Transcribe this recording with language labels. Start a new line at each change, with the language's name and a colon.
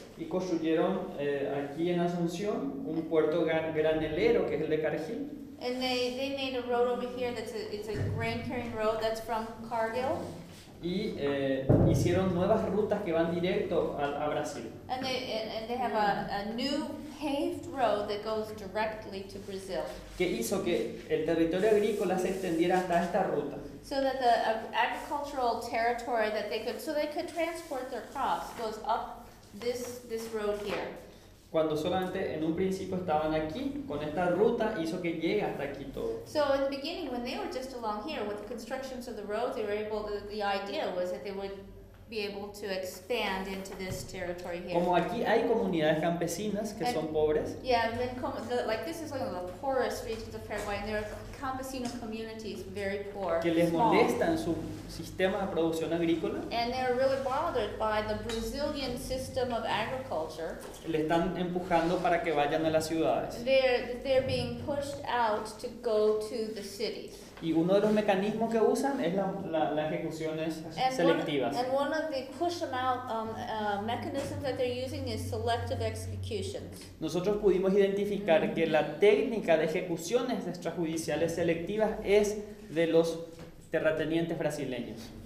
Spanish: Y construyeron aquí en Asunción un puerto granelero que es el de Cargill.
English: And they made a road over here that's a grain carrying road that's from Cargill.
Spanish: y hicieron nuevas rutas que van directo a Brasil.
English: And they have a new paved road that goes directly to Brazil.
Spanish: Que hizo que el territorio agrícola se extendiera hasta esta ruta.
English: So that the agricultural territory that they could, so they could transport their crops goes up this road here.
Spanish: Cuando solamente en un principio estaban aquí, con esta ruta hizo que llegue hasta aquí todo.
English: So in the beginning, when they were just along here, with the constructions of the road, they were able to, the idea was that they would be able to expand into this territory here.
Spanish: Como aquí hay comunidades campesinas que son pobres.
English: Yeah, and then this is one of the poorest regions of Paraguay, and there are campesino communities, very poor.
Spanish: Que les molestan su sistema de producción agrícola.
English: And they are really bothered by the Brazilian system of agriculture.
Spanish: Le están empujando para que vayan a las ciudades.
English: They're being pushed out to go to the cities.
Spanish: Y uno de los mecanismos que usan es las ejecuciones selectivas.
English: And one of the push them out mechanisms that they're using is selective executions.
Spanish: Nosotros pudimos identificar que la técnica de ejecuciones extrajudiciales selectivas es de los terratenientes brasileños.